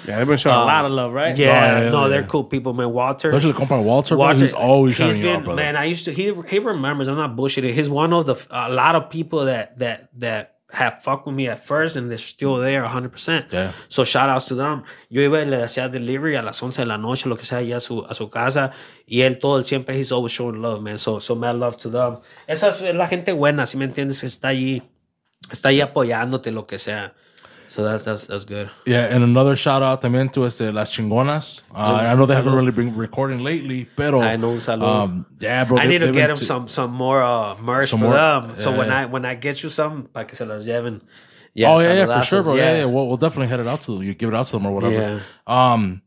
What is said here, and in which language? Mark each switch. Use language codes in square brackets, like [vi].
[en] Yeah, they've been showing a lot of love, right? Yeah, they're cool people, man. Walter. Especially compa Walter, he's always showing you out, brother. Man, I used to, he remembers, I'm not bullshitting. He's one of the, a lot of people that have fucked with me at first and they're still there 100%. Yeah. So shout outs to them. [es] Yo iba y le hacía delivery a las 11 de la noche, lo que sea, ya a su casa. Y él todo el tiempo, [en] he's always showing love, man. So mad love to them. [es] Esa es la gente buena, si me entiendes, está allí apoyándote, lo que sea. [en] So that's good. Yeah, and another shout out también to este Las Chingonas. I know they haven't really been recording lately, pero I know yeah, bro. I need to get them some more merch some for more, them. Yeah, so yeah. when I get you some, [es] pa que se las lleven. [en] Yeah, oh yeah, for sure, bro. Yeah, yeah, yeah. We'll definitely head it out to them. You give it out to them or whatever. Yeah.